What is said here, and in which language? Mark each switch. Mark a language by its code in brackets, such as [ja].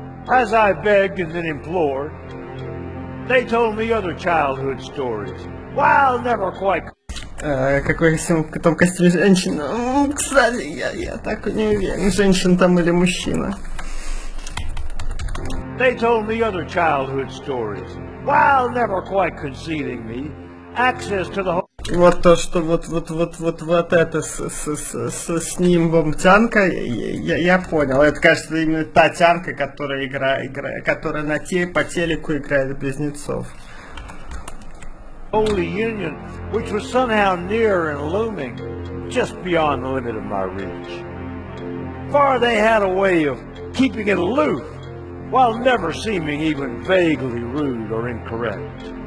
[en] As I begged and then implored, they told me other childhood stories. Well, never quite. [ru] Какой там костюм женщина? Кстати, я так не уверен, женщина там или мужчина. [en] They told me other childhood stories. Well, never quite conceding me access to the whole. [ru] Вот то, что вот это с нимбом тянка, я понял. Это, кажется, именно та тянка, которая играет, которая по телеку играет близнецов. [en] Holy Union, which was somehow near and looming, just beyond the limit of my reach. For they had a way of keeping it aloof, while never seeming even vaguely rude or incorrect.